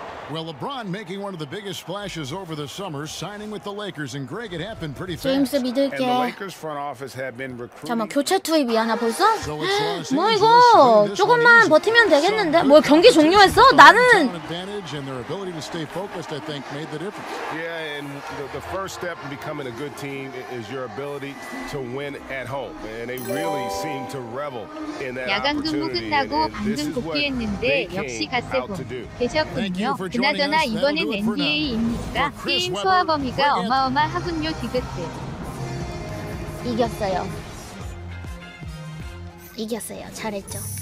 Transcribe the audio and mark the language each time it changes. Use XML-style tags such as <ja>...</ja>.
<en>Well, LeBron making one of the biggest splashes over the summer, signing with the Lakers, and Greg, it happened pretty fast.</en> <ko>James, 믿을게.</ko> <en>And the Lakers front office have been recruiting.</en> <ko>잠깐만, 교체 투입이야 나 벌써? 뭐 이거 조금만 버티면 되겠는데? 뭐 경기 종료했어? 나는.</ko> <en>And their ability to stay focused, I think, made the difference. Yeah, and the first step in becoming a good team is your ability to win at home, and they really seem to revel in that opportunity.</en> <ko>야간 근무 끝나고 방금 복귀했는데 역시 갓세고 계셨군요. 그나저나 이번엔 NBA입니까? 게임 소화 범위가 어마어마하군요, 디귿들. 이겼어요. 이겼어요. 잘했죠.</ko>